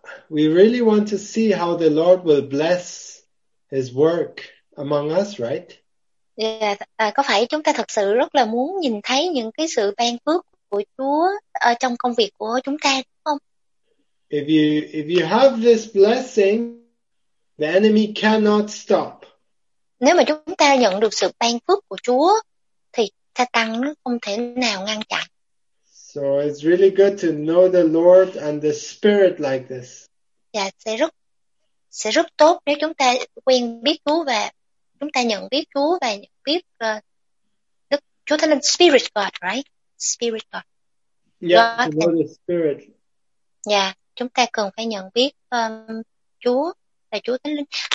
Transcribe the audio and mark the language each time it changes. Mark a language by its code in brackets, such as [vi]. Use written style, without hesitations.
[en] We really want to see how the Lord will bless his work among us, right? [vi] Có phải chúng ta thật sự rất là muốn nhìn thấy những cái sự ban phước của Chúa ở trong công việc của chúng ta, đúng không? [en] If you have this blessing, the enemy cannot stop. [vi] Nếu mà chúng ta nhận được sự ban phước của Chúa, thì Satan không thể nào ngăn chặn. [en] So it's really good to know the Lord and the Spirit like this. [vi] Sẽ rất tốt nếu chúng ta quen biết Chúa và chúng ta nhận biết Chúa và nhận biết Đức Chúa Thánh Linh, [en] Spirit God, right? Spirit God. Yeah, God to know the Spirit. [vi] Yeah, chúng ta cần phải nhận biết Chúa và Chúa Thánh Linh.